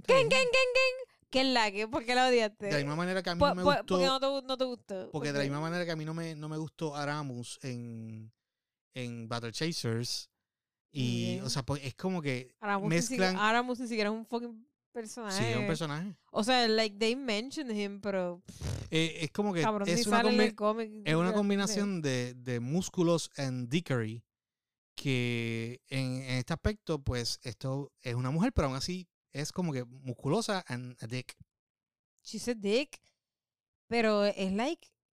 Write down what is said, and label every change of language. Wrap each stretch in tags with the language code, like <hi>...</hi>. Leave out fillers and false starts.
<es>¿Quién? ¿Qué es la que? ¿Por qué la odiaste? De la misma manera que a mí no me gustó... ¿Por qué no te gustó? Porque de la misma manera que a mí no me gustó Aramus en Battle Chasers... Y, o sea, pues es como que Aramus ni siquiera es un fucking personaje. Sí, es un personaje. O sea,</es> <en>like, they mentioned him,</en> <es>pero... Es como que... Cabrón, es una combinación de músculos</es> <en>and dickery.</en> <es>que en este aspecto, pues, esto es una mujer, pero aún así es como que musculosa</es> <en>and a dick. She's a dick.</en> <es>Pero es</es> <en>like...</en>